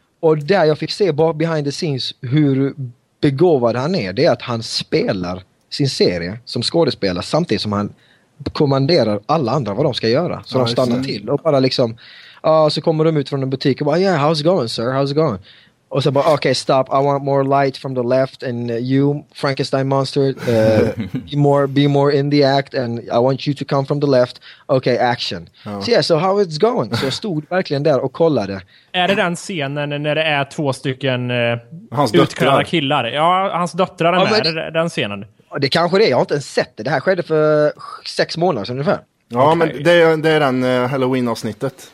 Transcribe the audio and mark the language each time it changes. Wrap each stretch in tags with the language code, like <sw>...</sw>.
<sv>Och där jag fick se</sv> <en>behind the scenes</en> <sv>hur begåvad han är, det är att han spelar sin serie som skådespelare samtidigt som han kommanderar alla andra vad de ska göra. Så de stannar till och bara liksom, så kommer de ut från en butik och bara,</sv> <en>yeah, how's it going, sir? How's it going?</en> <sv>Och så bara,</sv> <en>okay, stop. I want more light from the left and you, Frankenstein monster, be more in the act and I want you to come from the left. Okay, action. Oh. So yeah, so how it's going?</en> <sv>Så jag stod verkligen där och kollade. Är det den scenen när det är två stycken utklädda killar? Ja, hans döttrar är med. Är det den scenen? Det kanske det är. Jag har inte ens sett det. Det här skedde för 6 månader sedan ungefär. Ja, okay. Men det är den Halloween-avsnittet.</sv>